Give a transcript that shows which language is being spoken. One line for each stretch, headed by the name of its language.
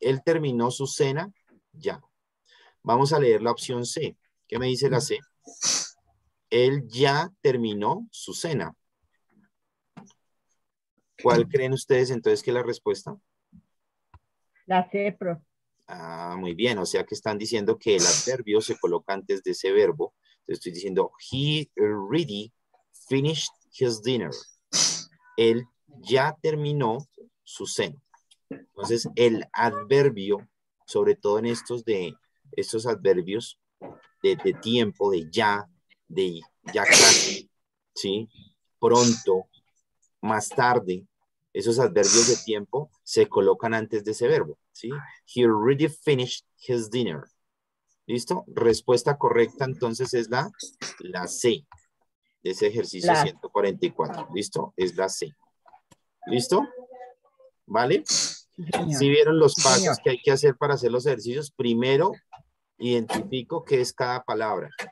Spanish: Él terminó su cena ya. Vamos a leer la opción C. ¿Qué me dice la C? Él ya terminó su cena. ¿Cuál creen ustedes entonces que es la respuesta? La C, pro. Ah, muy bien. O sea que están diciendo que el adverbio se coloca antes de ese verbo. Entonces estoy diciendo,
English: he already finished his dinner.
Spanish: Él ya terminó su cena. Entonces, el adverbio, sobre todo en estos de estos adverbios de tiempo, de ya casi, ¿sí? Pronto, más tarde, esos adverbios de tiempo se colocan antes de ese verbo, ¿sí?
English: He already finished his dinner.
Spanish: ¿Listo? Respuesta correcta entonces es la C de ese ejercicio 144. ¿Listo? Es la C. ¿Listo? ¿Vale? Si ¿Sí vieron los pasos que hay que hacer para hacer los ejercicios? Primero, identifico qué es cada palabra.